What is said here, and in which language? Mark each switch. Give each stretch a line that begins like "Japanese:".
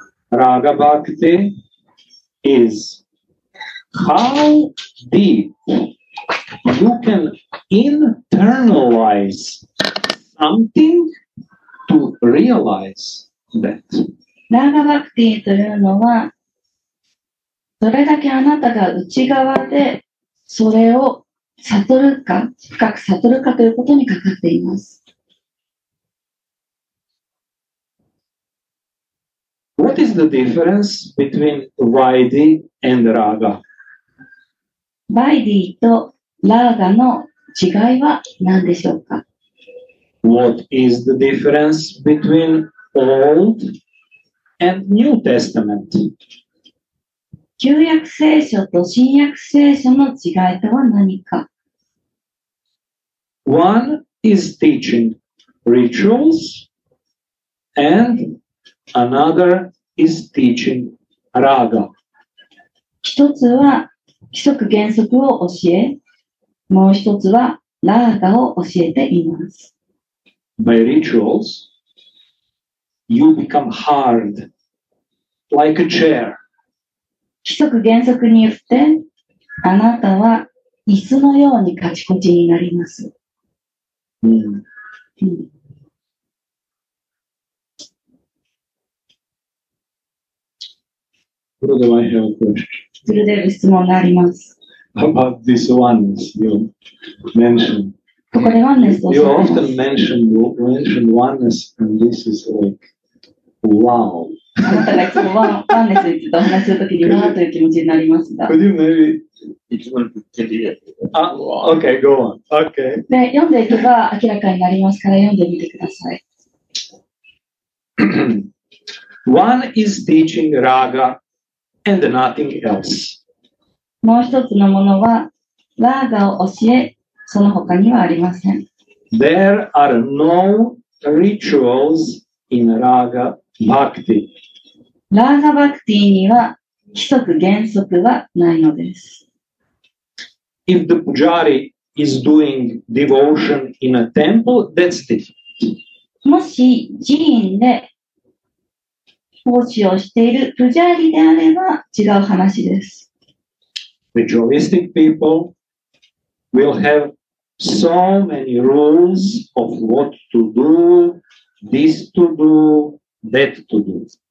English: Raga Bhakti is how deep you can internalize something to realize that.
Japanese: ラーガバクティというのは、どれだけあなたが内側でそれを悟るか、深く悟るかということにかかっています。
English: What is the difference between Vaidhi and Raga?
Japanese: Vaidhi とラーガの違いは何でしょうか?
English: What is the difference between old? And New Testament.
Japanese: 旧約聖書と新約聖書の違いとは何か?
English: One is teaching rituals, and another is teaching raga.
Japanese: 一つは規則原則を教え、もう一つはラーガを教えています。
English: By rituals, you become hard. Like a chair.
Japanese: 規則原則によってあなたは椅子のようにカチコチになります。うん。うん。
English: What do I have to?
Japanese: それで質問があります。
English: About this one you mentioned.
Japanese: ここでワンネスを教えます。
English: You often mentioned oneness and this is like, wow.
Japanese: ワンネスについてお話するときにわという気持ちになりますが。
English: Could you maybe? Okay, go on. Okay.
Japanese: で、読んでいけば明らかになりますから読んでみてください。
English: One is teaching raga and nothing else.
Japanese: もう一つのものは、ラーガを教え、その他にはありません。
English: There are no rituals in Raga Bhakti.
Japanese: ラーガバクティには規則原則はないのです。
English: If the pujari is doing devotion in a temple, that's different.
Japanese: もし寺院で奉仕をしているプジャーリであれば違う話です。
English: Ritualistic people will have so many rules of what to do, this to do, that to do.